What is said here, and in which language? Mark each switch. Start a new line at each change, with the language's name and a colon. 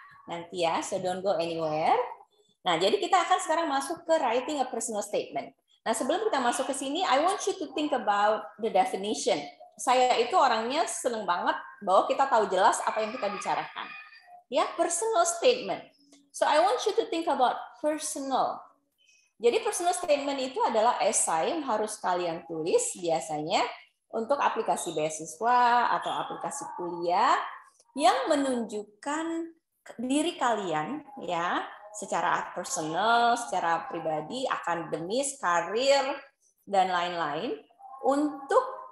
Indonesian: Nanti ya, so don't go anywhere. Nah, jadi kita akan sekarang masuk ke writing a personal statement.
English: Nah, sebelum kita masuk ke sini, I want you to think about the definition.
Indonesian: Saya itu orangnya seneng banget bahwa kita tahu jelas apa yang kita bicarakan. Ya, personal statement.
English: So I want you to think about personal.
Indonesian: Jadi personal statement itu adalah esai yang harus kalian tulis biasanya untuk aplikasi beasiswa atau aplikasi kuliah yang menunjukkan diri kalian ya, secara personal, secara pribadi, akademis, karir dan lain-lain untuk